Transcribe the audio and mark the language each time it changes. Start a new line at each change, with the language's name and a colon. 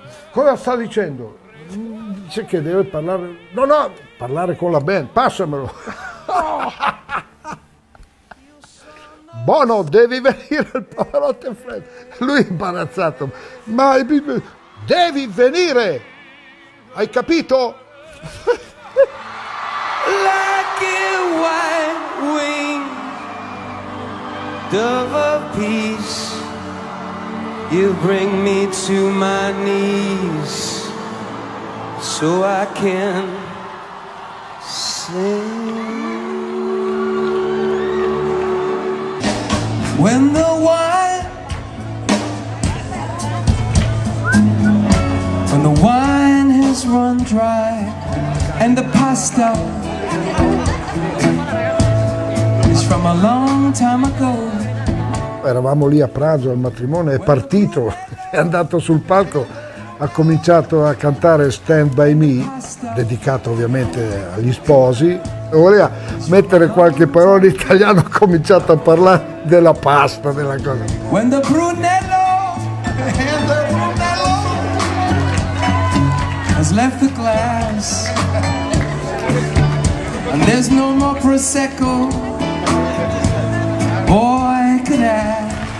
Italian: Cosa sta dicendo? Dice che deve parlare, no no, parlare con la band, passamelo. Bono, devi venire al Pavarotti and Friends. Lui è imbarazzato, ma devi venire, hai capito?
English: Like a white wing dove of peace, you bring me to my knees so I can sing. When the wine has run dry and the pasta is from a long time ago.
Italian: Eravamo lì a pranzo al matrimonio, è partito, è andato sul palco, ha cominciato a cantare Stand By Me, dedicato ovviamente agli sposi, e voleva mettere qualche parola in italiano, ha cominciato a parlare della pasta, della cosa.
English: When the Brunello left the glass and there's no more prosecco, boy could ask.